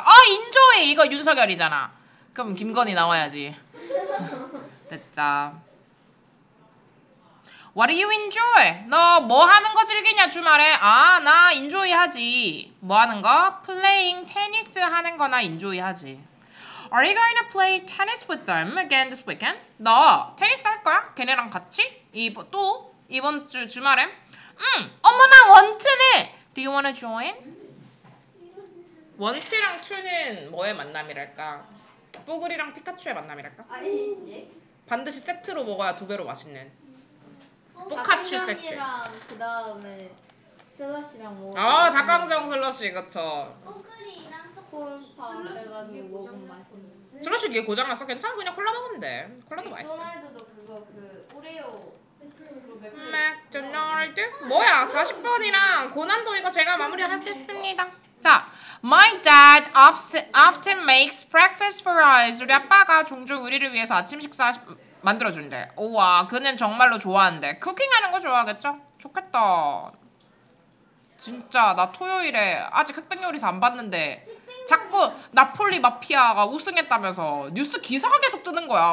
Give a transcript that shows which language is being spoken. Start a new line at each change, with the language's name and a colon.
Korean: 아, 인조의 이거 윤석열이잖아. 그럼 김건희 나와야지. 됐다.
English: What do you enjoy?
Korean: 너 뭐 하는 거 즐기냐 주말에? 아, 나 enjoy 하지. 뭐 하는 거?
English: Playing tennis
Korean: 하는 거나 enjoy 하지.
English: Are you going to play tennis with them again this weekend?
Korean: 너 테니스 할 거야? 걔네랑 같이? 또? 이번 주 주말에? 응! 어머나 원트네!
English: Do you wanna join?
Korean: 원치랑 추는 뭐의 만남이랄까? 뽀글이랑 피카츄의 만남이랄까? 아니, 반드시 세트로 먹어야 두 배로 맛있는. 포카츄 세트. 닭강정이랑 그 다음에 슬러시랑 뭐. 아, 닭강정 슬러시 그쵸. 뽀글이랑 슬러시 먹으면 맛있는데. 슬러시 이게 고장났어? 괜찮아 그냥 콜라 먹으면 돼. 콜라도 맛있어. 맥도날드도 그거 그 오레오 세트로 맥도날드? 뭐야 40번이랑 고난도 이거 제가 마무리할 때 씁니다.
English: 자, My dad often makes breakfast for us.
Korean: 우리 아빠가 종종 우리를 위해서 아침 식사 만들어준대. 우와, 그는 정말로 좋아한대. 쿠킹하는 거 좋아하겠죠? 좋겠다. 진짜 나 토요일에 아직 흑백요리사 안 봤는데 자꾸 나폴리 마피아가 우승했다면서 뉴스 기사가 계속 뜨는 거야.